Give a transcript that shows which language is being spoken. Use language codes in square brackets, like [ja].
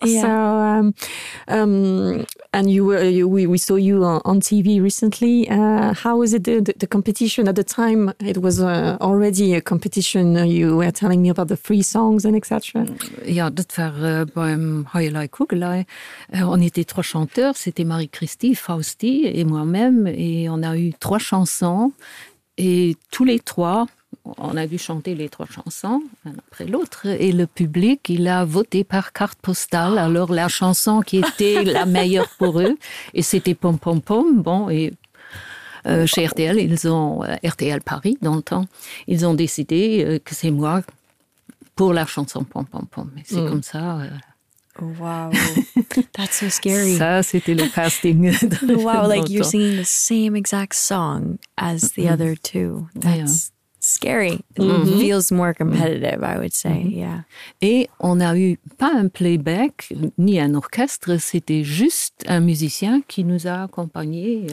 [en] Yeah. So, and we saw you on TV recently. How was it the competition at the time? It was already a competition. You were telling me about the three songs and etc. [fr] Yeah, that was beim Heulei Kugelei. On était trois chanteurs. C'était Marie-Christie, Fausti et moi-même, et on a eu trois chansons. Et tous les trois, on a dû chanter les trois chansons, l'un après l'autre, et le public, il a voté par carte postale, alors la chanson qui était la meilleure pour eux, et c'était Pom Pom Pom, bon, et chez RTL, ils ont, RTL Paris, dans le temps, ils ont décidé que c'est moi pour la chanson Pom Pom Pom, et c'est comme ça... [en] Wow, that's so scary. [fr] Ça, c'était le casting. [en] Wow, like you're singing the same exact song as the other two. That's scary. Mm-hmm. It feels more competitive, I would say, yeah. [fr] Et on a eu pas un playback, ni un orchestre, c'était juste un musicien qui nous a accompagnés.